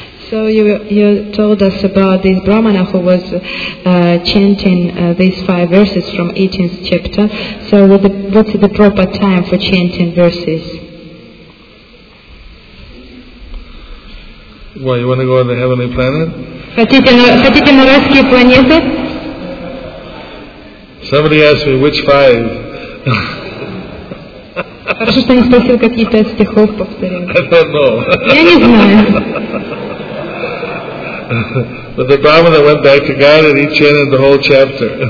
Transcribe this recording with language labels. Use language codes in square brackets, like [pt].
[en] So you told us about this Brahmana who was chanting these 5 verses from 18th chapter. So what's the proper time for chanting verses? Why, you want to go on the heavenly planet? [ru] Хотите на райские планеты? [en] Somebody asked me which five. [ru] Хорошо, что не спросил, какие пять стихов повторил. [en] I don't know. [ru] Я не знаю. [en] But the Brahmana went back to God and he chanted the whole chapter.